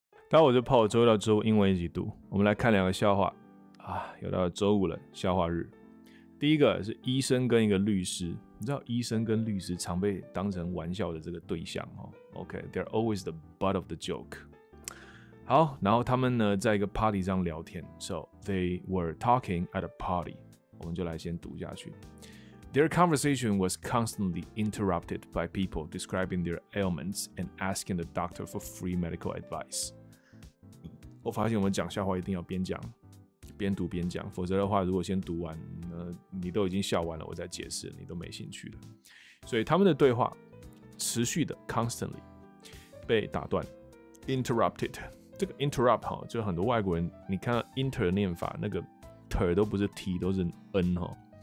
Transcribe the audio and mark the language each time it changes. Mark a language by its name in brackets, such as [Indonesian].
[Chinese] 然后我就跑周一到周五英文一起读。我们来看两个笑话啊，又到了周五了，笑话日。第一个是医生跟一个律师，你知道医生跟律师常被当成玩笑的这个对象哦。 [English] OK，they're always the butt of the joke。 [Chinese] 好，然后他们呢在一个 party 上聊天 ， [English] so they were talking at a party。 [Chinese] 我们就来先读下去。 [English] Their conversation was constantly interrupted by people describing their ailments and asking the doctor for free medical advice. [Chinese] 我发现我们讲笑话一定要边讲边读边讲，否则的话，如果先读完，你都已经笑完了，我再解释，你都没兴趣了。所以他们的对话持续的 constantly 被打断 ，interrupted。这个 interrupt 哈，就很多外国人，你看到 inter 的念法，那个 ter 都不是 t， 都是 n 哈。